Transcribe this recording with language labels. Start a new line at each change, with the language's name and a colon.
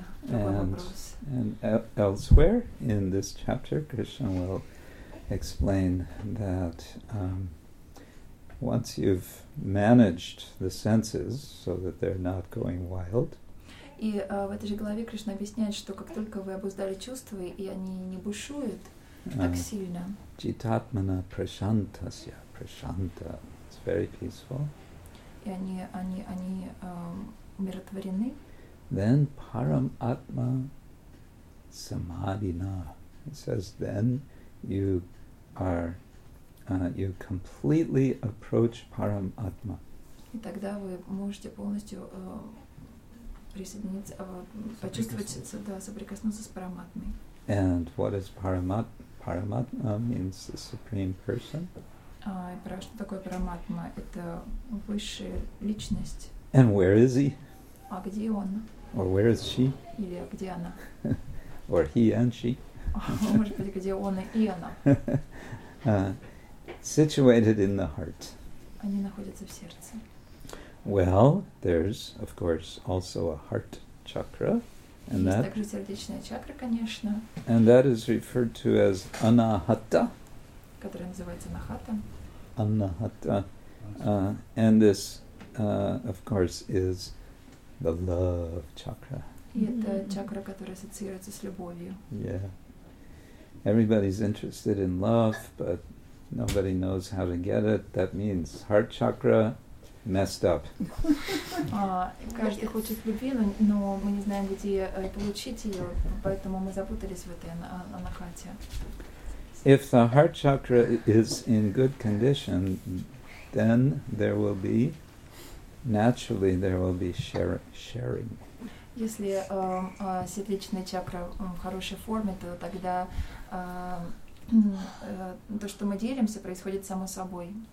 English: And elsewhere in this chapter, Krishna will explain that once you've managed the senses so that they're not going wild.
Russian: И в этой же главе Кришна объясняет, что как только вы обуздали чувства, и они не бушуют так сильно.
Sanskrit: Читатмана прашантасья, прашанта.
English: It's very peaceful.
Russian: И они умиротворены.
Sanskrit: Then param atma samadhina.
English: It says then you are you completely approach param atma.
Russian: И тогда вы можете полностью присоединиться, почувствовать, да, соприкоснуться с параматмой.
English: And what is paramat? Параматма means the supreme person.
Russian: Что такое параматма? Это высшая личность.
English: And where is he?
Russian: А где он?
English: Or where is she?
Russian: Или где она?
English: Or he and she?
Russian: Может быть, где он и она?
English: Situated in the heart.
Russian: Они находятся в сердце.
English: Well, there's, of course, also a heart chakra. And
Russian: есть также сердечная чакра, конечно.
English: And that is referred to as anahata.
Russian: Которая называется anahata.
Sanskrit: Anahata.
English: And this, of course, is the love chakra.
Russian: И это чакра, которая ассоциируется с любовью.
English: Yeah. Everybody's interested in love, but nobody knows how to get it. That means heart chakra messed up.
Russian: Каждый хочет любви, но мы не знаем, где получить ее, поэтому мы запутались в этой анахате.
English: If the heart chakra is in good condition, then there will be, naturally, there will be sharing.
Russian: Если сердечная чакра в хорошей форме, то тогда то, что мы делимся, происходит само собой.